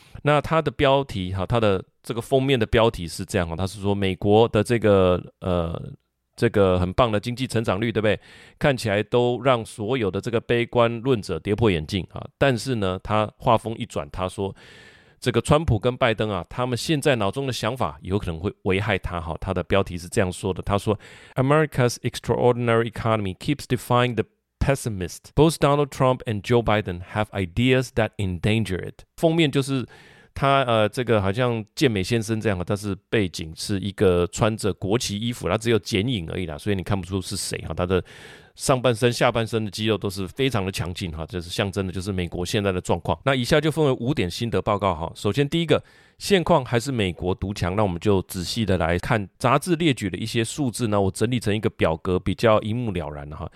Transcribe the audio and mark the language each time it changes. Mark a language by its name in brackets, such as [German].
[Chinese] 那他的标题啊，他的这个封面的标题是这样，他是说美国的这个很棒的经济成长率，对不对？看起来都让所有的这个悲观论者跌破眼镜啊。但是呢，他话锋一转，他说这个川普跟拜登啊，他们现在脑中的想法有可能会危害他。好，他的标题是这样说的，他说 [English] America's extraordinary economy keeps defying the pessimist. Both Donald Trump and Joe Biden have ideas that endanger it. [Chinese] 封面就是他这个好像健美先生这样，但是背景是一个穿着国旗衣服，他只有剪影而已啦，所以你看不出是谁。他的上半身下半身的肌肉都是非常的强劲，就是象征的就是美国现在的状况。那以下就分为五点心得报告。首先第一个，现况还是美国独强，那我们就仔细的来看杂志列举的一些数字呢，我整理成一个表格比较一目了然。